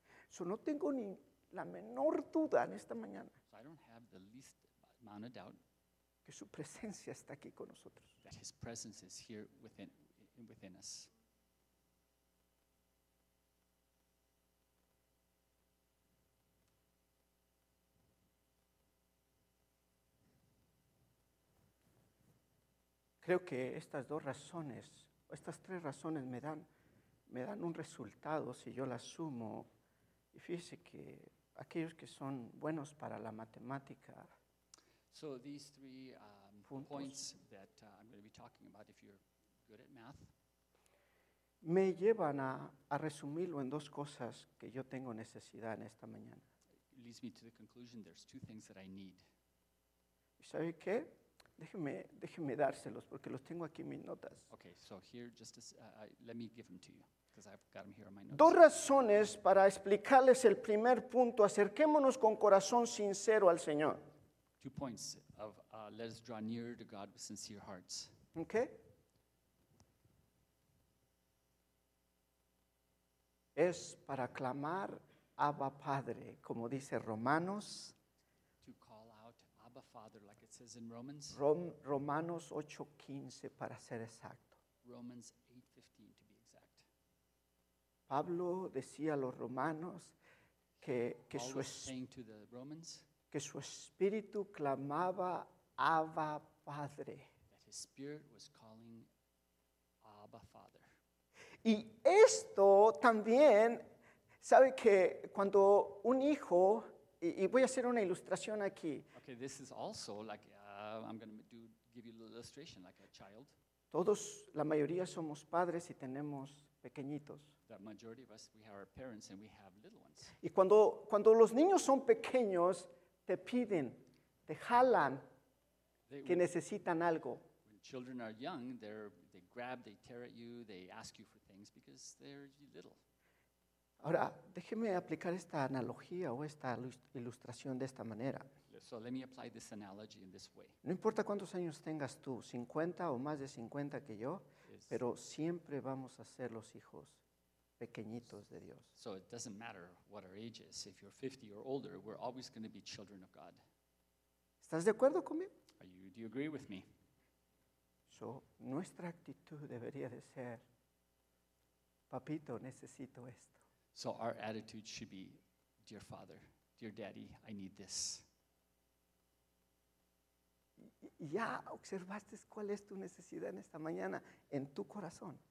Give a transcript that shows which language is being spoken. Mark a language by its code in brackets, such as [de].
[es] So no tengo ni la menor duda en esta mañana. [en] So I don't have the least amount of doubt. [es] Que su presencia está aquí con nosotros. [en] That his presence is here within us. [es] Creo que estas dos razones, estas tres razones me dan un resultado si yo las sumo. Y fíjese que aquellos que son buenos para la matemática. [en] So these three points that I'm going to be talking about, if you're good at math, [es] me llevan a resumirlo en dos cosas que yo tengo necesidad en esta mañana. [en] It leads me to the conclusion there's two things that I need. [es] ¿Y sabe qué? Déjeme dárselos porque los tengo aquí en mis notas. [en] Okay, so here, just as, let me give them to you. I've got them here on my notes. [es] Dos razones para explicarles el primer punto. Acerquémonos con corazón sincero al Señor. [en] Two points of let us draw near to God with sincere hearts. Okay. [es] Es para clamar Abba Padre, como dice Romanos. [en] To call out Abba Father, like it says in Romans. [es] Romanos 8:15, para ser exacto. [en] Romans 8:15, to be exact. [es] Pablo decía a los romanos que [en] Paul was saying to the Romans. [es] Que su espíritu clamaba Abba Padre. [en] That his spirit was calling Abba Father. [es] Y esto también, sabe que cuando un hijo, y voy a hacer una ilustración aquí. [en] Okay, this is also like, I'm going to do give you a little illustration, like a child. [es] Todos, la mayoría somos padres y tenemos pequeñitos. [en] The majority of us, we have our parents and we have little ones. [es] Y cuando los niños son pequeños, te piden, te jalan, que necesitan algo. [en] When children are young, they grab, they tear at you, they ask you for things because they're little. [es] Ahora, déjeme aplicar esta analogía o esta ilustración de esta manera. [en] So let me apply this analogy in this way. [es] No importa cuántos años tengas tú, 50 o más de 50 que yo, pero siempre vamos a ser los hijos pequeñitos de Dios. [en] So it doesn't matter what our age is. If you're 50 or older, we're always going to be children of God. [es] ¿Estás de acuerdo conmigo? [en] Do you agree with me? [es] So, nuestra actitud debería de ser, papito, necesito esto. [en] So our attitude should be, dear father, dear daddy, I need this. [es] ¿Ya observaste cuál es tu necesidad en esta mañana en tu corazón?